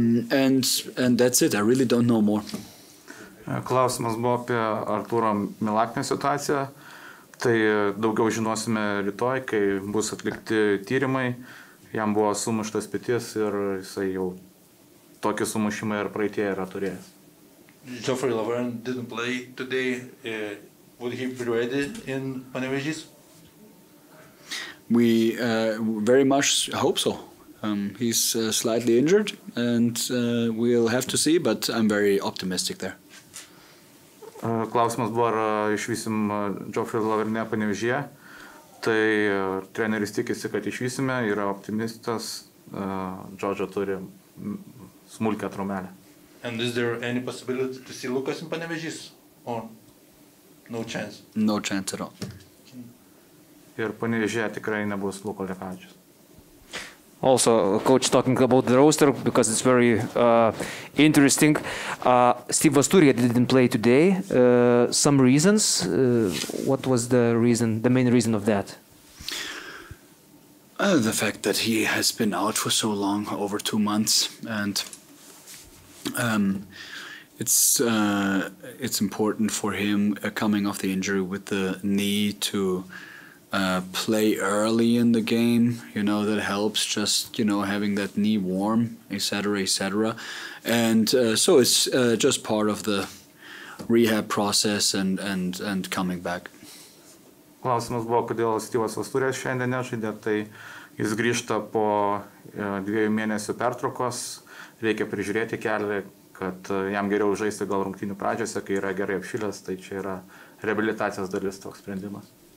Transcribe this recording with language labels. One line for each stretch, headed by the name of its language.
English: And that's it. I really don't know more.
Lithuanian: Klausimas buvo apie Artūro Milaknio situaciją. Tai daugiau žinosime rytoj, kai bus atlikti tyrimai. Jam buvo sumuštas pėties ir jisai jau tokį sumušimą ir praeitie yra turėjęs.
English: Geoffrey Laverne didn't play today. Would he be ready in Panevėžys? We very much hope so. He's slightly injured, and we'll have to see, but I'm very optimistic there.
Lithuanian: Klausimas buvo, ar išvysim Geoffrey Laverne Panevėžyje. Tai treneris tikisi, kad išvysime, yra optimistas. Džordžo turi smulkę traumelę.
English: And is there any possibility to see Lukas in Panevėžys? Or no chance? No chance at all.
Lithuanian: Ir Panevėžyje tikrai nebus Luko Lekavičius.
English: Also, coach talking about the roster, because it's very interesting. Steve Vasturia didn't play today. Some reasons. What was the reason, the main reason of that? The fact that he has been out for so long, over 2 months, and it's important for him coming off the injury with the knee to play early in the game, you know, that helps, just, you know, having that knee warm, etc., etc. And so it's just part of the rehab process and coming back.
Lithuanian: Klausimas buvo, kodėl Stevas Vasturės šiandien nežaidė. Tai jis grįžta po dviejų mėnesių pertraukos, reikia prižiūrėti kelią, kad jam geriau žaisti gal rungtynių pradžiose, kai yra gerai apšilęs. Tai čia yra reabilitacijos dalis, toks sprendimas.